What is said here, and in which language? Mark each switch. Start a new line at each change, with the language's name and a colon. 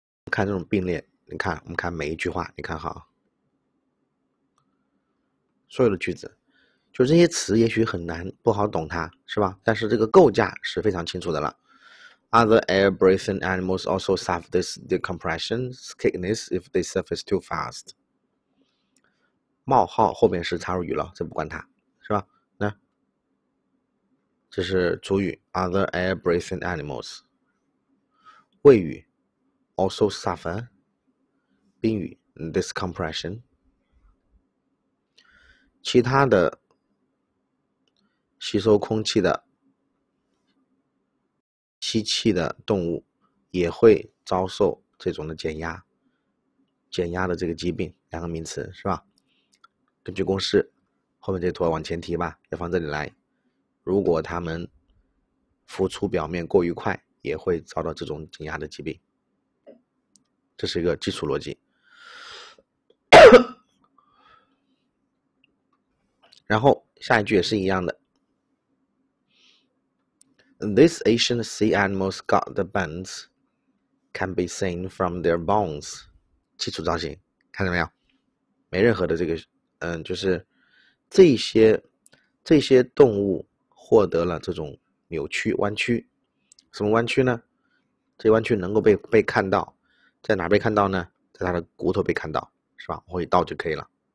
Chinese: 看这种并列，你看，我们看每一句话，你看哈，所有的句子，就这些词也许很难不好懂它，是吧？但是这个构架是非常清楚的了。
English: Other air-breathing animals also suffer this decompression sickness if they surface too fast。
Chinese: 冒号后面是插入语了，这不管它，是吧？那这是主语，
English: other air-breathing animals，
Chinese: 谓语。
English: Also suffer
Chinese: 宾语 discompression，其他的吸收空气的、吸气的动物也会遭受这种的减压，减压的这个疾病，两个名词是吧？根据公式，后面这坨往前提吧，要放这里来。如果它们浮出表面过于快，也会遭到这种减压的疾病。这是一个基础逻辑，然后下一句也是一样的。
English: These ancient sea animals got the bends can be seen from their bones。
Chinese: 基础造型，看见没有？没任何的这个，就是这些动物获得了这种扭曲、弯曲。什么弯曲呢？这弯曲能够被看到。在哪被看到呢？在它的骨头被看到，是吧？往回一倒就可以了。